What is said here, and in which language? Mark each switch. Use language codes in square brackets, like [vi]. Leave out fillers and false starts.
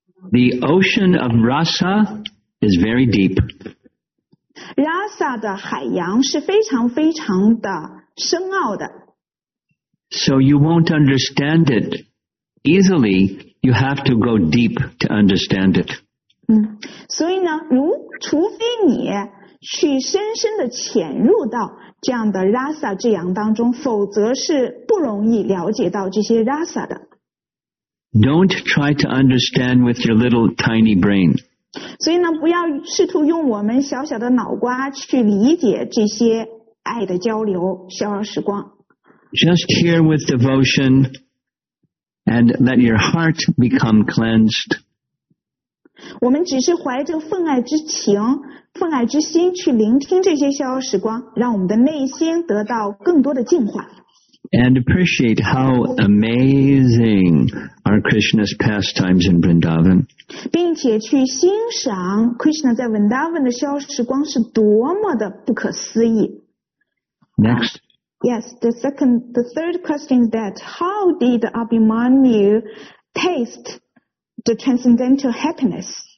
[en] The ocean of Rasa is very deep. [zh] Rasa 的海洋是非常非常的深奥的。 [en] So you won't understand it easily. You have to go deep to understand it. [zh] 所以呢，除非你去深深的潜入到这样的 Rasa 之洋当中，否则是不容易了解到这些 Rasa 的。 [en] Don't try to understand with your little tiny brain. [zh] 所以呢，不要试图用我们小小的脑瓜去理解这些爱的交流、消失光。 [en] Just hear with devotion and let your heart become cleansed. [zh] 我们只是怀着奉爱之情、奉爱之心去聆听这些消失光，让我们的内心得到更多的净化。 [en] And appreciate how amazing are Krishna's pastimes in Vrindavan. [zh] 并且去欣赏 Krishna 在 Vrindavan 的消失光是多么的不可思议。 [en] Next. Yes, the third question is that how did Abhimanyu taste the transcendental happiness?